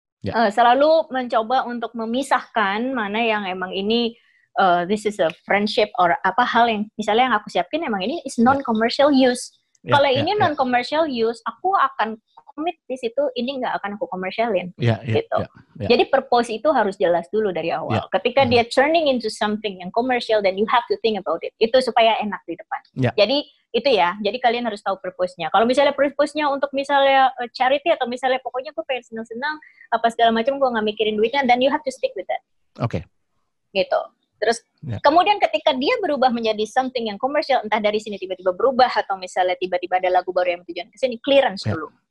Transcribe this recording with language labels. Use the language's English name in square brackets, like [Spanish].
[Indonesian] Selalu mencoba untuk memisahkan mana yang emang ini [English] this is a friendship [Indonesian] or apa hal yang misalnya yang aku siapin emang ini is non-commercial use. Kalau ini non-commercial use, aku akan commit di situ, ini gak akan aku commercialin. Jadi purpose itu harus jelas dulu dari awal. Ketika dia [English] turning into something yang commercial, then you have to think about it. [Indonesian] Itu supaya enak di depan. Jadi itu ya, jadi kalian harus tahu purpose-nya. Kalau misalnya purpose-nya untuk misalnya charity atau misalnya pokoknya gue pengen senang-senang apa segala macam, gue gak mikirin duitnya, [English] then you have to stick with that. Okay. [Indonesian] Gitu. Terus kemudian ketika dia berubah menjadi something yang komersial, entah dari sini tiba-tiba berubah atau misalnya tiba-tiba ada lagu baru yang tujuan ke sini, clearance dulu.